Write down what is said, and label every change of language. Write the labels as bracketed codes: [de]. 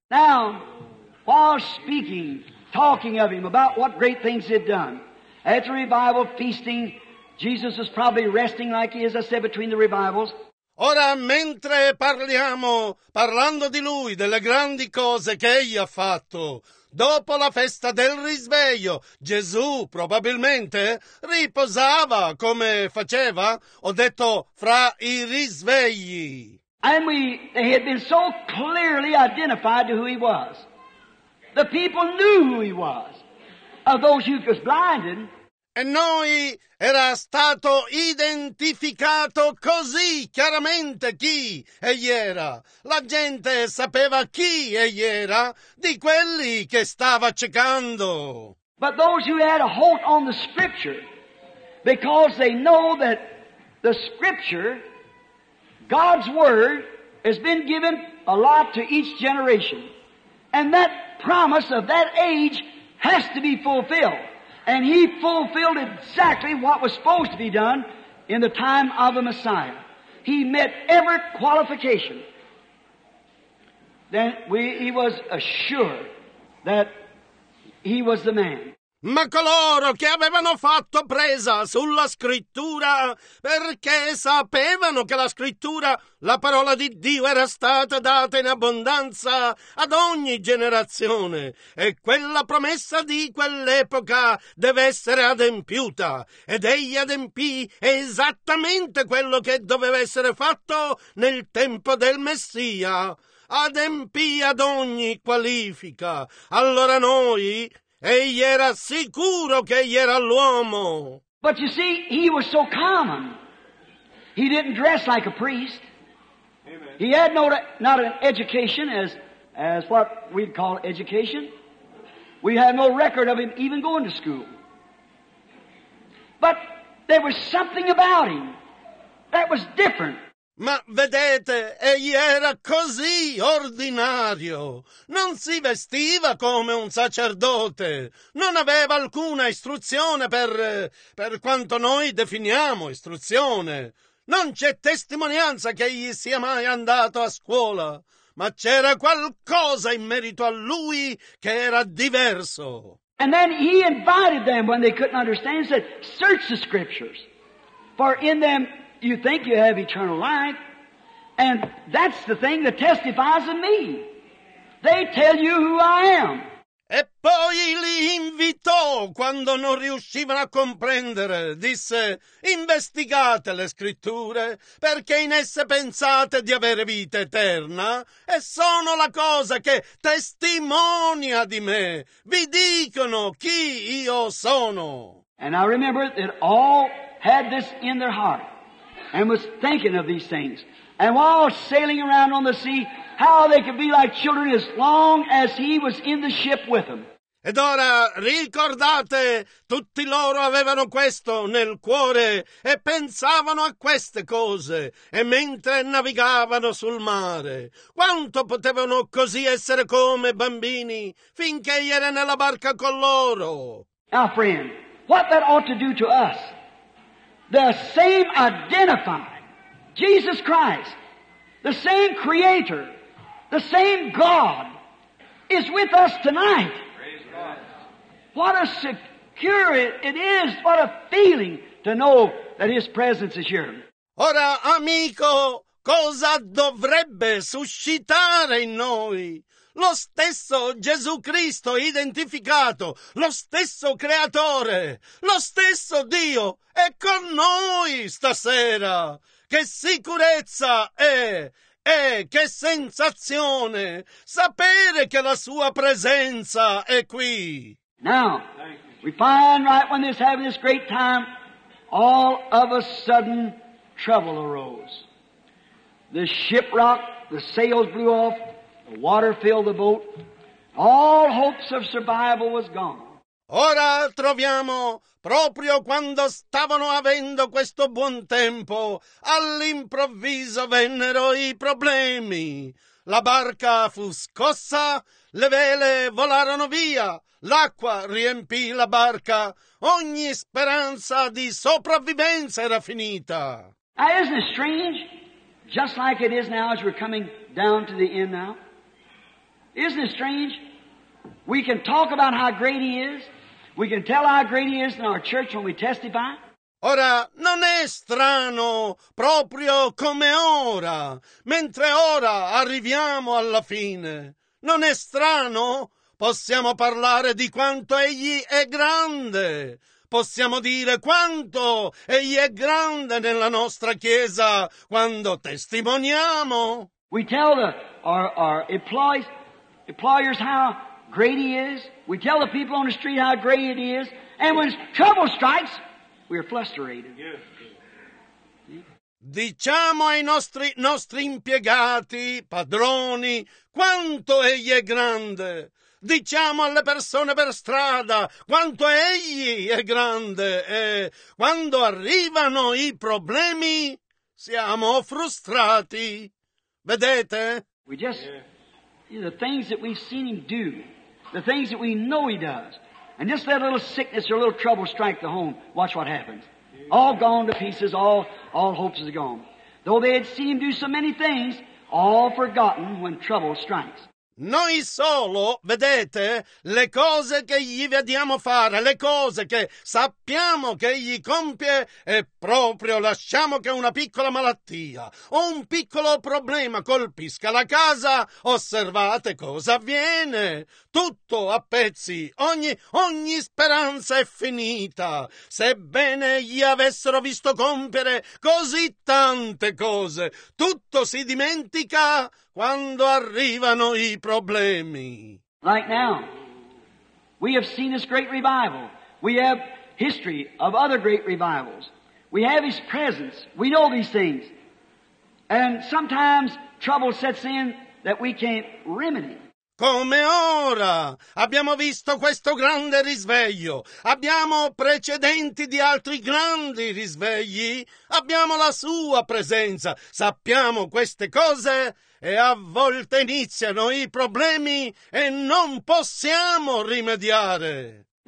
[en] Now, while speaking, talking of him, about what great things he had done, at the revival feasting, Jesus is probably resting like he is, as I said, between the revivals. [it] Ora, mentre parliamo, parlando di lui, delle grandi cose che egli ha fatto, dopo la festa del risveglio, Gesù probabilmente riposava come faceva, ho detto, fra i risvegli. [en] And he had been so clearly identified to who he was. The people knew who he was. Of those who was blinded. [it] E noi era stato identificato così chiaramente chi egli era. La gente sapeva chi egli era di quelli che stava cercando. [en] But those who had a hold on the Scripture, because they know that the Scripture, God's Word, has been given a lot to each generation. And that promise of that age has to be fulfilled. And he fulfilled exactly what was supposed to be done in the time of the Messiah. He met every qualification. Then he was assured that he was the man. [it] Ma coloro che avevano fatto presa sulla scrittura perché sapevano che la scrittura, la parola di Dio, era stata data in abbondanza ad ogni generazione e quella promessa di quell'epoca deve essere adempiuta ed egli adempì esattamente quello che doveva essere fatto nel tempo del Messia, adempì ad ogni qualifica. Allora noi... Egli era sicuro che egli era l'uomo. [en] But you see, he was so common. He didn't dress like a priest. Amen. He had not an education as what we'd call education. We have no record of him even going to school. But there was something about him that was different. [it] Ma vedete, egli era così ordinario. Non si vestiva come un sacerdote. Non aveva alcuna istruzione per quanto noi definiamo istruzione. Non c'è testimonianza che egli sia mai andato a scuola. Ma c'era qualcosa in merito a lui che era diverso. [en] And then he invited them when they couldn't understand, said, "Search the scriptures, for in them you think you have eternal life, and that's the thing that testifies in me. They tell you who I am." [it] E poi li invitò quando non riuscivano a comprendere. Disse, investigate le scritture, perché in esse pensate di avere vita eterna, e sono la cosa che testimonia di me. Vi dicono chi io sono. [en] And I remember that all had this in their heart and was thinking of these things. And while sailing around on the sea, how they could be like children as long as he was in the ship with them. [it] Ed ora, ricordate, tutti loro avevano questo nel cuore e pensavano a queste cose, e mentre navigavano sul mare, quanto potevano così essere come bambini finché egli era nella barca con loro? [en] Now friend, what that ought to do to us, the same identifying Jesus Christ, the same Creator, the same God is with us tonight. What a secure it is, what a feeling to know that His presence is here. [it] Ora, amico, cosa dovrebbe suscitare in noi? Lo stesso Gesù Cristo identificato, lo stesso Creatore, lo stesso Dio è con noi stasera. Che sicurezza è! E che sensazione sapere che la Sua presenza è qui! [en] Now, we find right when this having this great time, all of a sudden trouble arose. The ship rocked, the sails blew off, the water filled the boat. All hopes of survival was gone. [it] Ora troviamo, proprio quando stavano avendo questo buon tempo, all'improvviso vennero i problemi. La barca fu scossa, le vele volarono via. L'acqua riempì la barca. Ogni speranza di sopravvivenza era finita. [en] Now, isn't it strange? Just like it is now as we're coming down to the end now. Isn't it strange? We can talk about how great He is. We can tell how great He is in our church when we testify. [it] Ora, non è strano, proprio come ora, mentre ora arriviamo alla fine. Non è strano? Possiamo parlare di quanto Egli è grande. Possiamo dire quanto Egli è grande nella nostra Chiesa quando testimoniamo. [en] We tell our employers how great He is. We tell the people on the street how great He is. And when trouble strikes, we are flustered. [it] Diciamo ai nostri impiegati, padroni, quanto Egli è grande. Diciamo alle persone per strada quanto Egli è grande e quando arrivano i problemi siamo frustrati. Vedete? [en] We just, the things that we've seen Him do, the things that we know He does, and just let a little sickness or a little trouble strike the home, watch what happens. All gone to pieces, all hopes is gone. Though they had seen Him do so many things, all forgotten when trouble strikes. [it] Noi solo, vedete, le cose che gli vediamo fare, le cose che sappiamo che gli compie, e proprio lasciamo che una piccola malattia o un piccolo problema colpisca la casa, osservate cosa avviene. Tutto a pezzi, ogni speranza è finita, sebbene gli avessero visto compiere così tante cose. Tutto si dimentica quando arrivano i problemi. [en] Like now, we have seen this great revival. We have history of other great revivals. We have His presence. We know these things. And sometimes trouble sets in that we can't remedy. [it] Come ora abbiamo visto questo grande risveglio. Abbiamo precedenti di altri grandi risvegli. Abbiamo la Sua presenza. Sappiamo queste cose. E a volte iniziano i problemi e non possiamo rimediare.